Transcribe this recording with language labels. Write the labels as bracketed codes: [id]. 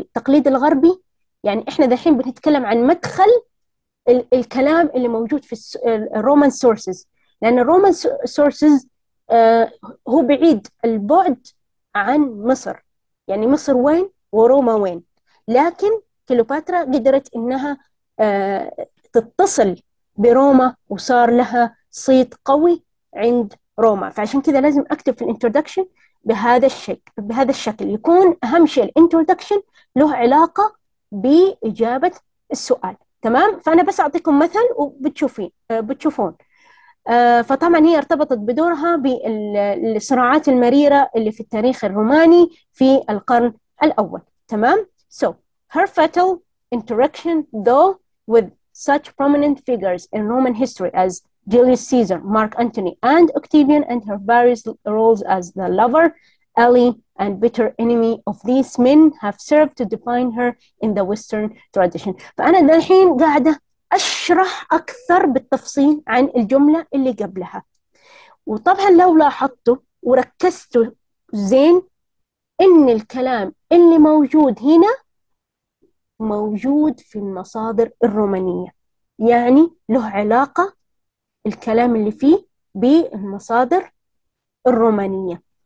[ar] التقليد الغربي يعني احنا دحين بنتكلم عن مدخل الكلام اللي موجود في الرومان سورسز، لان الرومان سورسز هو بعيد البعد عن مصر، يعني مصر وين وروما وين، لكن كليوباترا قدرت انها تتصل بروما وصار لها صيت قوي عند روما. فعشان كذا لازم اكتب في الانترودكشن بهذا الشكل، يكون أهم شيء الانترودكشن له علاقة بإجابة السؤال، تمام؟ فأنا بس أعطيكم مثل وبتشوفين بتشوفون. فطبعا هي ارتبطت بدورها بالصراعات المريرة اللي في التاريخ الروماني في القرن الأول، تمام؟ [en] So her fatal interaction though with such prominent figures in Roman history as Julius Caesar, Mark Antony, and Octavian, and her various roles as the lover, ally, and bitter enemy of these men have served to define her in the Western tradition. [ar] فأنا الحين قاعدة أشرح أكثر بالتفصيل عن الجملة اللي قبلها. وطبعا لو لاحظتوا وركزتوا زين إن الكلام اللي موجود هنا موجود في المصادر الرومانية، يعني له علاقة الكلام اللي فيه بالمصادر الرومانية.